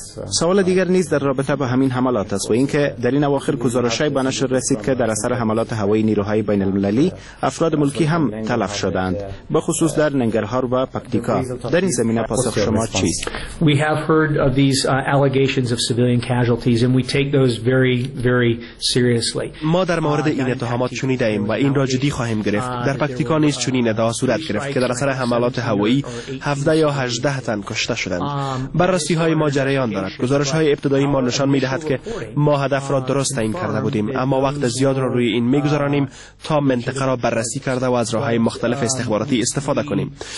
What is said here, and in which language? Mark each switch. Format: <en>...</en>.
<fa>سوال دیگر نیز در رابطه با همین حملات است و اینکه در این اواخر گزارش‌های به نشر رسید که در اثر حملات هوایی نیروهای بین المللی افراد ملکی هم تلف شدند، به خصوص در ننگرهار و پکتیکا. در این زمینه پاسخ شما چیست؟</fa> <en>We have heard of these allegations of civilian casualties and we take those very very seriously.</en> <fa>ما در مورد این اتهامات شنیدیم و این را جدی خواهیم گرفت. در پکتیکا نیز چنین ادعا صورت گرفت که در اثر حملات هوایی 17 یا 18 تن کشته شدند. بررسی های ما جریان دارد. گزارش های ابتدایی ما نشان می دهد که ما هدف را درست تعیین کرده بودیم، اما وقت زیاد را روی این می گذرانیم تا منطقه را بررسی کرده و از راه های مختلف استخباراتی استفاده کنیم.</fa>